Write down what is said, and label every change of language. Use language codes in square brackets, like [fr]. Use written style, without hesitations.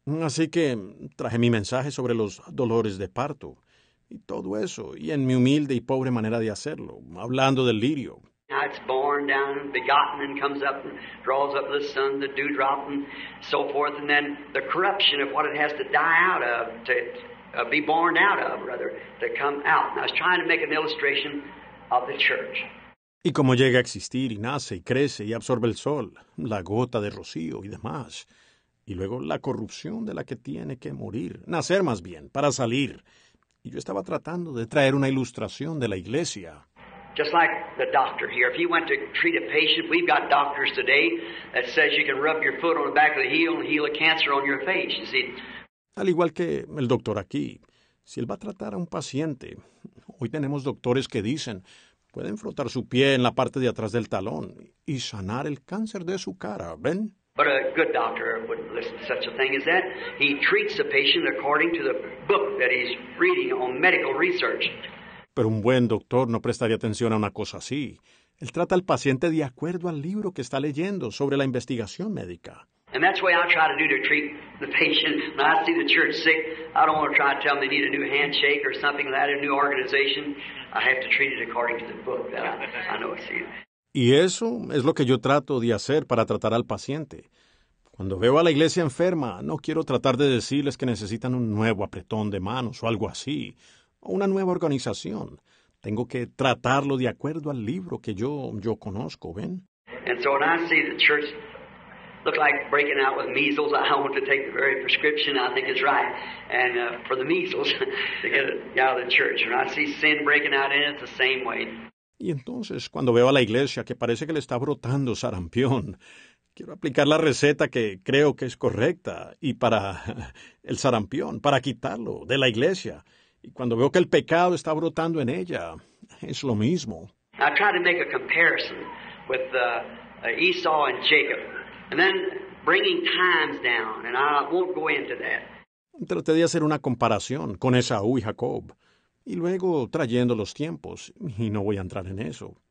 [es] Así que traje mi mensaje sobre los dolores de parto y todo eso, y en mi humilde y pobre manera de hacerlo, hablando del lirio. [en] Now it's born down and begotten and comes up and draws up the sun, the dewdrop, and so forth, and then the corruption of what it has to die out of, to be born out of, rather, to come out. And I was trying to make an illustration of the church. [es] Y como llega a existir y nace y crece y absorbe el sol, la gota de rocío y demás, y luego la corrupción de la que tiene que morir, nacer más bien, para salir. Y yo estaba tratando de traer una ilustración de la iglesia. [en] Just like the doctor here, if he went to treat a patient, we've got doctors today that says you can rub your foot on the back of the heel and heal a cancer on your face, you see. [es] Al igual que el doctor aquí, si él va a tratar a un paciente, hoy tenemos doctores que dicen, pueden frotar su pie en la parte de atrás del talón y sanar el cáncer de su cara, ¿ven? [en] But a good doctor wouldn't listen to such a thing as that. He treats the patient according to the book that he's reading on medical research. [es] Pero un buen doctor no prestaría atención a una cosa así. Él trata al paciente de acuerdo al libro que está leyendo sobre la investigación médica. [en] And that's what I try to do to treat the patient. When I see the church sick, I don't want to try to tell them they need a new handshake or something like that, a new organization. I have to treat it according to the book that I know it's in. [es] Y eso es lo que yo trato de hacer para tratar al paciente. Cuando veo a la iglesia enferma, no quiero tratar de decirles que necesitan un nuevo apretón de manos o algo así, o una nueva organización. Tengo que tratarlo de acuerdo al libro que yo conozco, ¿ven? [en] And so when I see the church look like breaking out with measles, I want to take the very prescription I think is right. And for the measles, to get it out of the church. When I see sin breaking out in it, it's the same way. [es] Y entonces, cuando veo a la iglesia que parece que le está brotando sarampión, quiero aplicar la receta que creo que es correcta y para el sarampión, para quitarlo de la iglesia. Y cuando veo que el pecado está brotando en ella, es lo mismo. [en] I try to make a comparison with Esau and Jacob, and then bringing times down, and I won't go into that. [es] Traté de hacer una comparación con Esaú y Jacob. Y luego trayendo los tiempos, y no voy a entrar en eso.